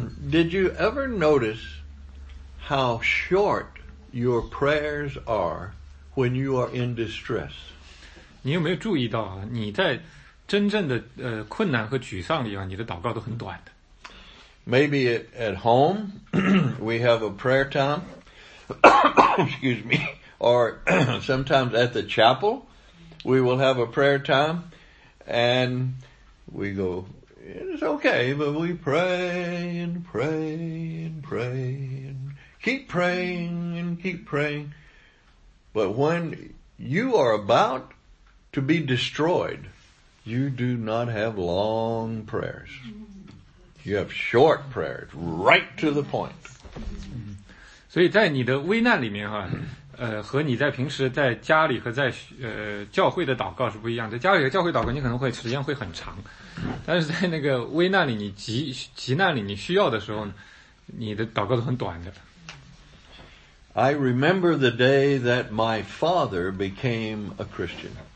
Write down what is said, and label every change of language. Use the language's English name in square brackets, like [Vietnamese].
[English] Did you ever notice how short your prayers are when you are in distress? [Chinese] 你有没有注意到啊？你在真正的困难和沮丧里啊，你的祷告都很短的。 [English] Maybe at home we have a prayer time, excuse me, or sometimes at the chapel we will have a prayer time, and we go, it's okay, but we pray and pray and pray and keep praying and keep praying. But when you are aboutTo be destroyed, you do not have long prayers. You have short prayers, right to the point. [Chinese] 所以在你的危难里面和你在平时在家里和在教会的祷告是不一样的。在家里和教会祷告你可能会时间会很长。但是在那个危难里你急难里你需要的时候你的祷告都很短的。 [English] I remember the day that my father became a Christian.